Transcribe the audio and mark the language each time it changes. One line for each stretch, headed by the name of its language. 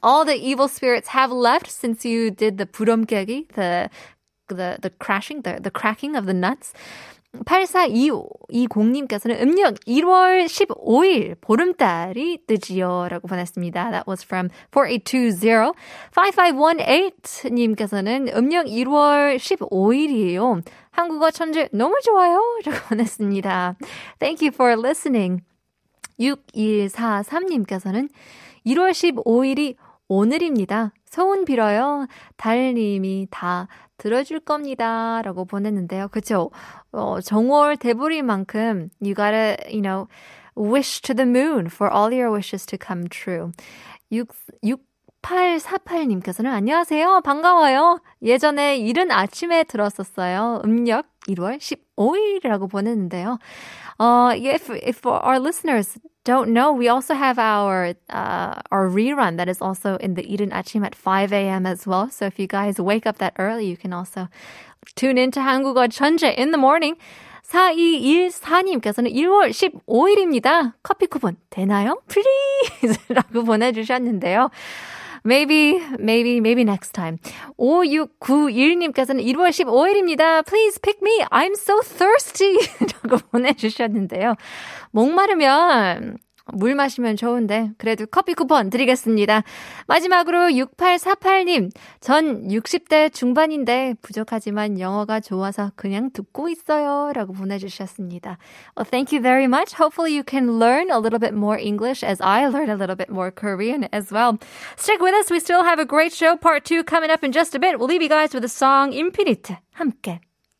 English: All the evil spirits have left since you did the 부럼 깨기, the crashing, the cracking of the nuts.
Korean: 8425님께서는 음력 1월 15일 보름달이 뜨지요 라고 보냈습니다.
English: That was from 4820.
Korean: 5518님께서는 음력 1월 15일이에요. 한국어 천재 너무 좋아요 라고 보냈습니다.
English: Thank you for listening.
Korean: 6143님께서는 1월 15일이 오늘입니다. 소원 빌어요. 달님이 다 들어줄 겁니다. 라고 보냈는데요. 그쵸? 정월 대보리만큼
English: you gotta, you know, wish to the moon for all your wishes to come true.
Korean: 6848님께서는 안녕하세요. 반가워요. 예전에 이른 아침에 들었었어요. 음력 1월 15일이라고 보냈는데요.
English: If our listeners don't know, we also have our rerun that is also in the 이른 아침 at 5 a.m. as well. So if you guys wake up that early, you can also tune into 한국어 천재 in the morning.
Korean: 4214님께서는 1월 15일입니다. 커피 쿠폰 되나요? Please! 라고 보내주셨는데요.
English: Maybe next time.
Korean: 5691님께서는 1월 15일입니다.
English: Please pick me. I'm so thirsty.
Korean: 라고 보내주셨는데요. 목마르면 물 마시면 좋은데 그래도 커피 쿠폰 드리겠습니다. 마지막으로 6848님. 전 60대 중반인데 부족하지만 영어가 좋아서 그냥 듣고 있어요. 라고 보내주셨습니다.
English: Well, thank you very much. Hopefully you can learn a little bit more English as I learn a little bit more Korean as well. Stick with us. We still have a great show. Part 2 coming up in just a bit. We'll leave you guys with the song Infinite. 함께.